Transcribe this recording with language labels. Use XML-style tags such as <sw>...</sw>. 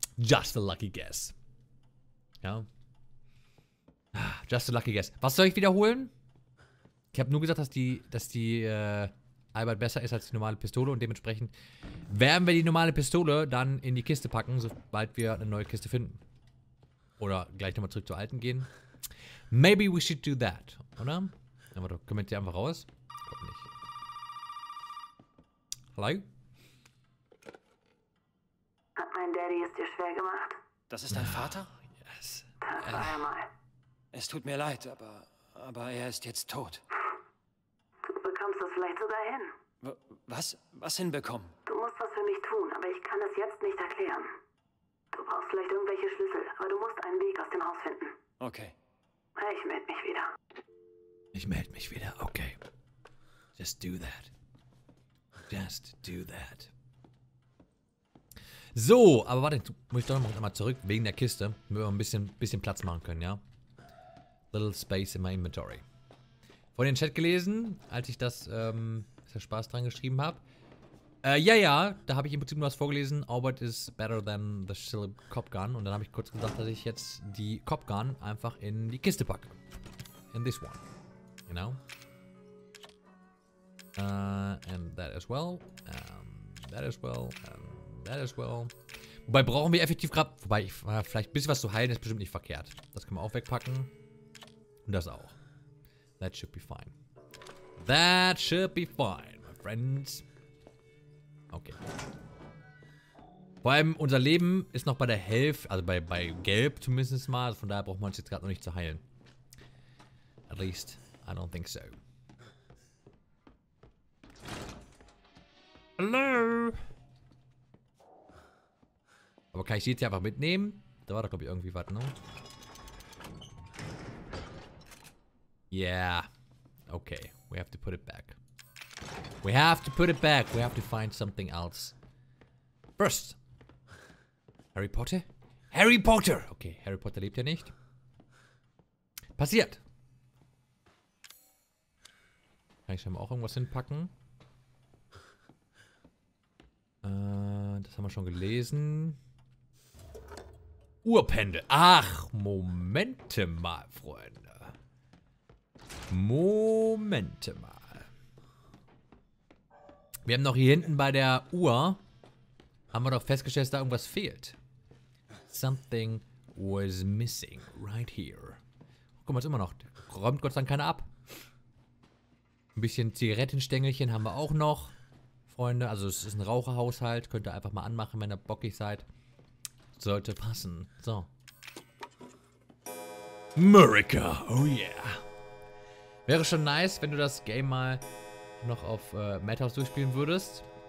<en>Just a lucky guess. Ja. Just a lucky guess.</en> <de>Was soll ich wiederholen? Ich habe nur gesagt, dass Albert besser ist als die normale Pistole und dementsprechend werden wir die normale Pistole dann in die Kiste packen, sobald wir eine neue Kiste finden. Oder gleich nochmal zurück zur alten gehen.</de> <en>Maybe we should do that, oder?</en> <de>Ja, warte, kommen wir die einfach raus? Ich glaube nicht. Hallo? Hat mein Daddy es dir schwer gemacht? Das ist dein Vater?</de> <en>Yes.</en> <de>Das war er mal. Es tut mir leid, aber er ist jetzt tot. Du bekommst es vielleicht sogar hin. Was hinbekommen? Du musst was für mich tun, aber ich kann es jetzt nicht erklären. Du brauchst vielleicht irgendwelche Schlüssel, aber du musst einen Weg aus dem Haus finden. Okay. Ich melde mich wieder. Ich melde mich wieder,</de> <en>okay. Just do that. Just do that.</en> <de>So, aber warte, muss ich doch noch einmal zurück, wegen der Kiste, damit wir ein bisschen Platz machen können, ja?</de> <en>Little space in my inventory.</en> <de>Vorhin den Chat gelesen, als ich das, ist ja Spaß dran geschrieben habe. Ja, da habe ich im Prinzip nur was vorgelesen.</de> <en>Albert is better than the silly cop gun.</en> <de>Und dann habe ich kurz gesagt, dass ich jetzt die cop gun einfach in die Kiste packe.</de> <en>In this one. You know? And that as well, that as well, that as well.</en> <de>Wobei brauchen wir effektiv gerade, vielleicht ein bisschen was zu heilen, ist bestimmt nicht verkehrt. Das können wir auch wegpacken. Und das auch.</de> <en>That should be fine. That should be fine, my friends. Okay.</en> <de>Vor allem, unser Leben ist noch bei der Hälfte, also bei Gelb zumindest mal. Also von daher brauchen wir uns jetzt gerade noch nicht zu heilen.</de> <en>At least, I don't think so.</en> <de>Hallo! Aber kann ich die jetzt einfach mitnehmen? Da war doch, glaube ich, irgendwie was, ne?</de> <en>Yeah. Okay, we have to put it back. We have to put it back. We have to find something else. First. Harry Potter? Harry Potter!</en> <de>Okay, Harry Potter lebt ja nicht. Passiert! Kann ich schon mal auch irgendwas hinpacken? Das haben wir schon gelesen. Urpendel. Ach, Momente mal, Freunde. Momente mal. Wir haben noch hier hinten bei der Uhr. Haben wir doch festgestellt, dass da irgendwas fehlt.</de> <en>Something was missing right here.</en> <de>Guck mal, ist immer noch. Räumt Gott sei Dank keiner ab. Ein bisschen Zigarettenstängelchen haben wir auch noch. Freunde, also es ist ein Raucherhaushalt, könnt ihr einfach mal anmachen, wenn ihr bockig seid. Sollte passen. So.</de> <en>America, oh yeah.</en> <de>Wäre schon nice, wenn du das Game mal noch auf Madhouse durchspielen würdest.</de>